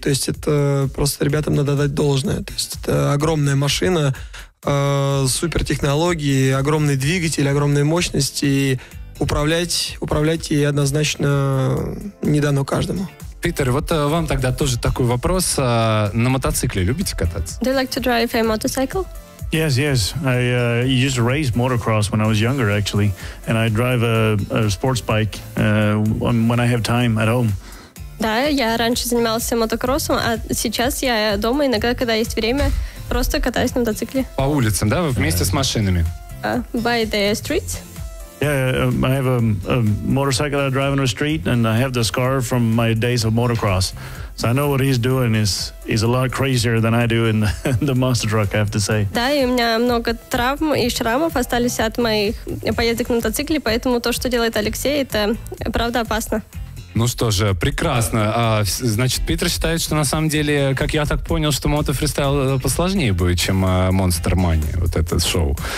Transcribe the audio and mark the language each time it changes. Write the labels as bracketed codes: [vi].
[ru] То есть это просто ребятам надо дать должное. То есть это огромная машина, супертехнологии, огромный двигатель, огромная мощность. И управлять ей однозначно не дано каждому. Питер, вот вам тогда тоже такой вопрос. На мотоцикле любите кататься? [en] Do you like to drive a motorcycle? Yes. I used to race motocross when I was younger, actually. And I drive a sports bike when I have time at home. [ru] Да, я раньше занимался мотокроссом, а сейчас я дома иногда, когда есть время, просто катаюсь на мотоцикле. По улицам, да, вместе с машинами? [en] By the streets. Yeah, I have a motorcycle I drive on the street, and I have the scar from my days of motocross. So I know what he's doing is a lot crazier than I do in the monster truck, I have to say. [ru] Да, и у меня много травм и шрамов остались от моих поездок на мотоцикле, поэтому то, что делает Алексей, это правда опасно. Ну что же, прекрасно. Значит, Питер считает, что на самом деле, как я так понял, что мотофристайл посложнее будет, чем Monster Money, вот это шоу.